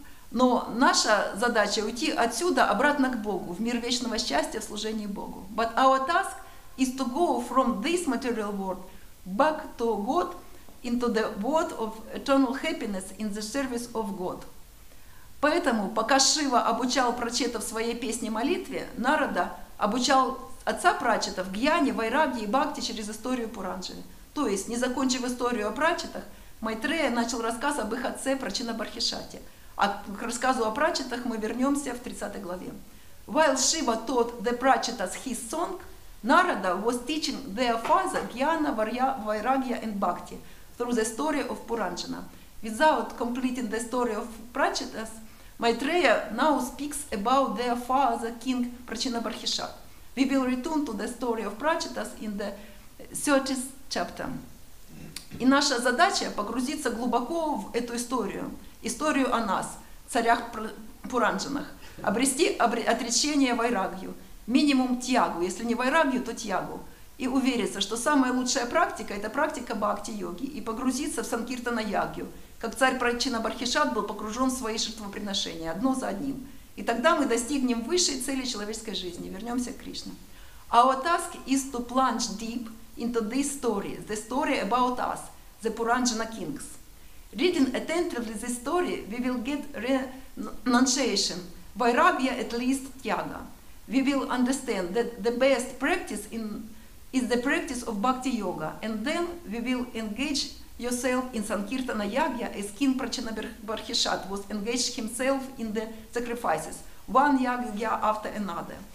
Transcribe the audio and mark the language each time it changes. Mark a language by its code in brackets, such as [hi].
[ru] Но наша задача – уйти отсюда обратно к Богу, в мир вечного счастья, в служении Богу. [en] But our task is to go from this material world back to God, into the world of eternal happiness in the service of God. [ru] Поэтому, пока Шива обучал Прачета в своей песне-молитве, Нарада обучал отца Прачета в Гьяне, Вайрагье и Бхакти через историю Пуранджали. То есть, не закончив историю о Прачетах, Майтрея начал рассказ об их отце Прачинабархишате. А к рассказу о Прачетах мы вернемся в 30 главе. [en] While Shiva taught the Prachetas his song, Narada was teaching their father Gyana, Vairagya and Bhakti through the story of Puranjana. Without completing the story of Prachetas, Maitreya now speaks about their father, King Prachinabarkhishad. We will return to the story of Prachetas in the 30th chapter. [ru] И наша задача – погрузиться глубоко в эту историю, историю о нас, царях Пуранджанах, обрести отречение вайрагью, минимум тьягу, если не вайрагью, то тьягу, и увериться, что самая лучшая практика – это практика бхакти-йоги, и погрузиться в санкиртана-ягью, как царь Прачинабархишат был погружен в свои жертвоприношения, одно за одним. И тогда мы достигнем высшей цели человеческой жизни, вернемся к Кришне. [en] Our task is to plunge deep into this story, the story about us, the Puranjana kings. Reading attentively this story, we will get renunciation, vairagya at least tyaga. We will understand that the best practice is the practice of bhakti yoga, and then we will engage yourself in sankirtana yagya as King Prachinabarhishad was engaged himself in the sacrifices, one yagya after another.